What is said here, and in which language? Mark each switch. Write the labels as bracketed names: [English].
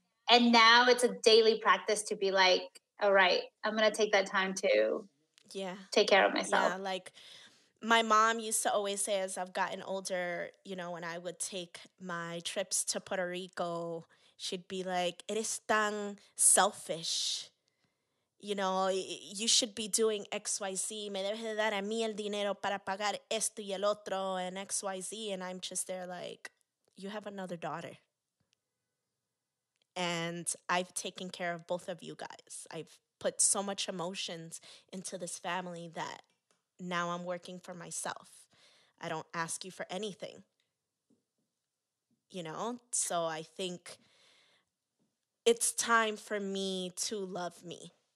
[English] And now it's a daily practice to be like, all right, I'm going to take that time to take care of myself. Yeah, like my mom used to always say, as I've gotten older, you know, when I would take my trips to Puerto Rico, she'd be like, [Spanish] eres tan [English] selfish. You know, you should be doing X, Y, Z. [Spanish] Me debes de dar a mí el dinero para pagar esto y el otro [English] and X, Y, Z. And I'm just there like, you have another daughter. And I've taken care of both of you guys. I've put so much emotions into this family that now I'm working for myself. I don't ask you for anything. You know, so I think it's time for me to love me.